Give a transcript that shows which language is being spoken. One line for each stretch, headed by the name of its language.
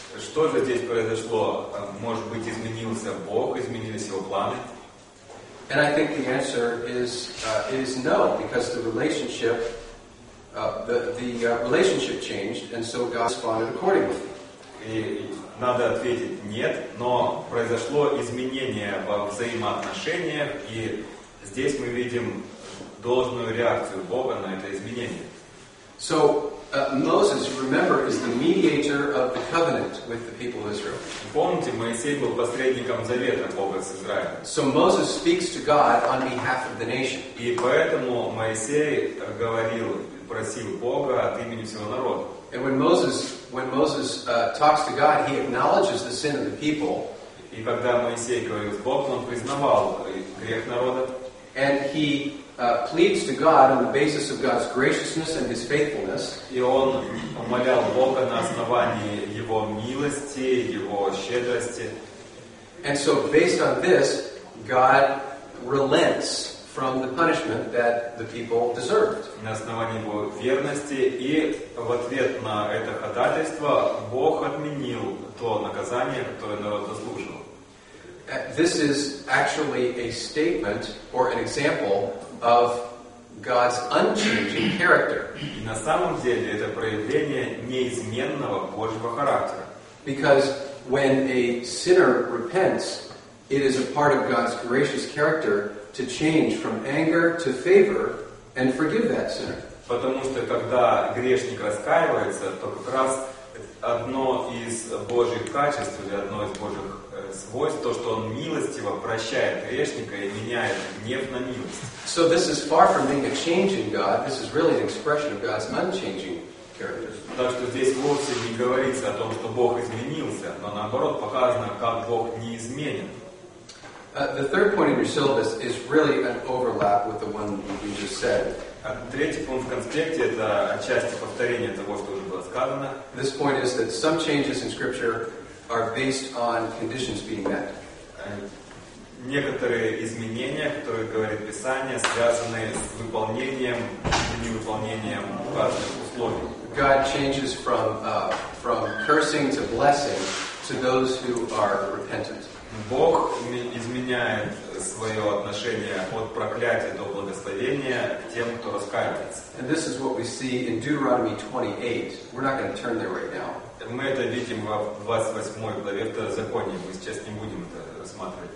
Russian: что же здесь произошло? Может быть, изменился Бог, изменились его планы?
English: And I think the answer is it is no, because the relationship relationship changed, and so God responded accordingly.
Russian: Надо ответить нет, но произошло изменение во взаимоотношениях, и здесь мы видим должную реакцию Бога на это изменение.
English: So Moses, remember, is the mediator of the covenant with the people of Israel.
Russian: Помните, Моисей был посредником завета Бога с Израилем.
English: So Moses speaks to God on behalf of the nation.
Russian: И поэтому Моисей говорил, просил Бога от имени всего народа.
English: And when Moses talks to God, he acknowledges the sin of the people.
Russian: И когда Моисей говорил с Богом, он признавал грех народа.
English: And he pleads to God on the basis of God's graciousness and His faithfulness.
Russian: И он умолял Бога на основании Его милости, Его щедрости.
English: And so, based on this, God relents from the punishment that the people deserved.
Russian: На основании Его верности и в ответ на это ходатайство Бог отменил то наказание, которое народ заслужил.
English: This is actually a statement or an example of God's unchanging character.
Russian: И на самом деле это проявление неизменного Божьего характера.
English: Because when a sinner repents, it is a part of God's gracious character to change from anger to favor and forgive that sinner.
Russian: Потому что когда грешник раскаивается, то как раз одно из Божьих качеств или одно из Божьих свойств, то, что он милостиво прощает грешника и меняет гнев на милость.
English: So this is far from being a changing God. This is really an expression of God's unchanging character.
Russian: Так что здесь вовсе не говорится о том, что Бог изменился, но наоборот показано, как Бог неизменен.
English: The third point in your syllabus is really an overlap with the one you just said.
Russian: Третий пункт в конспекте — это отчасти повторение того, что уже было сказано.
English: This point is that some changes in Scripture are based on conditions being met.
Russian: Некоторые изменения, которые говорит Писание, связаны с выполнением или невыполнением указанных условий.
English: God changes from cursing to blessing to those who are repentant.
Russian: Бог изменяет свое отношение от проклятия до благословения к тем, кто раскаивается.
English: And this is what we see in Deuteronomy 28. We're not going to turn there right now.
Russian: Мы это видим во 28 главе Второзакония. Мы сейчас не будем это рассматривать.